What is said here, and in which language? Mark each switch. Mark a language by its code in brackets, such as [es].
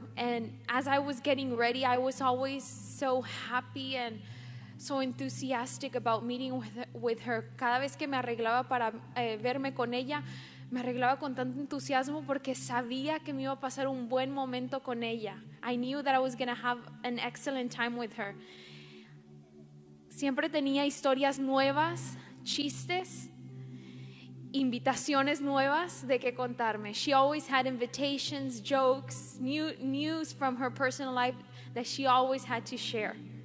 [en] And as I was getting ready, I was always so happy and so enthusiastic about meeting with her. [es] Cada vez que me arreglaba para verme con ella, me arreglaba con tanto entusiasmo porque sabía que me iba a pasar un buen momento con ella. [en] I knew that I was going to have an excellent time with her. [es] Siempre tenía historias nuevas, chistes, invitaciones nuevas de que contarme. [en] She always had invitations, jokes, news from her personal life that she always had to share.